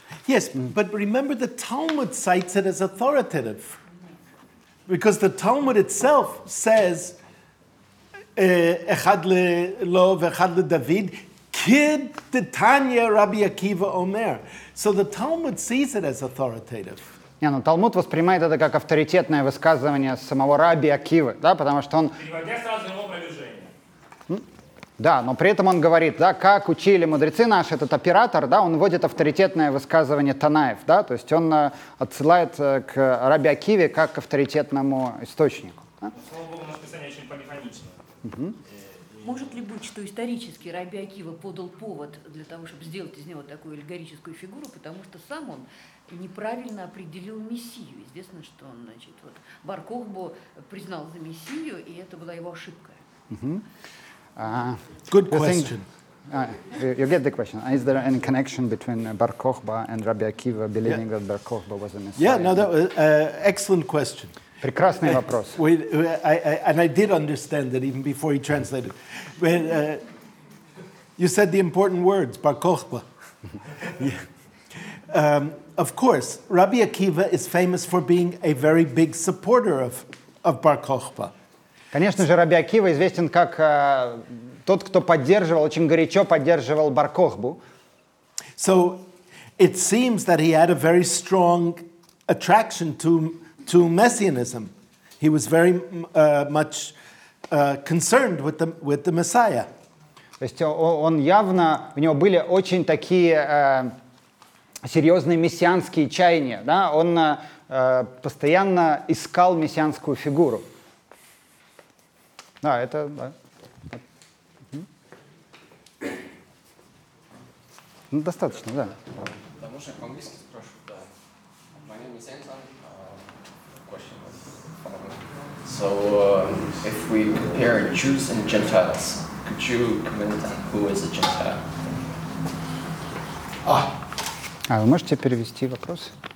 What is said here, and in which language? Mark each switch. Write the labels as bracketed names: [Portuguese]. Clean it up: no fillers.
[English] Yes, but remember the Talmud cites it as authoritative, because the Talmud itself says, [Hebrew] echad lelo v'echad ledavid, kid t'tanya Rabbi Akiva Omer. [English] So the Talmud sees it as authoritative. [Russian] Не, ну Талмуд воспринимает это как авторитетное высказывание самого Раби Акивы, да, потому что он... Переводя сразу его продвижение. Да, но при этом он говорит, да, как учили мудрецы наши, этот оператор, да, он вводит авторитетное высказывание Танаев, да, то есть он отсылает к Раби Акиве как к авторитетному источнику. Да? Слава Богу, у нас писание очень полифоничное. Может ли быть, что исторически Раби Акива подал повод для того, чтобы сделать из него такую аллегорическую фигуру, потому что сам он неправильно определил мессию. Известно, что он, значит, вот Бар Кохба признал за мессию, и это была его ошибка. [English] Good question. You get the question. Is there any connection between Bar Kochba and Rabbi Akiva believing that Bar Kochba was a messiah? Yeah, no, that was excellent question. [Russian] Прекрасный вопрос. [English] I did understand that even before he translated. When you said the important words, Bar Kochba. Of course, Rabbi Akiva is famous for being a very big supporter of Bar Kochba. [Russian] Конечно же, Раби Акива известен как тот, кто поддерживал, очень горячо поддерживал Бар Кохбу. [English] So it seems that he had a very strong attraction to messianism. He was very much concerned with the Messiah. [Russian] То есть он явно, у него были очень такие серьезные мессианские чаяния, да? Он постоянно искал мессианскую фигуру. Да, это, да. Ну, достаточно, да. Потому что я по-английски спрашиваю, да. [English] My name is Anton. Question was so, if we compare Jews and Gentiles, could you comment on who is a Gentile? [Russian] А вы можете перевести вопрос?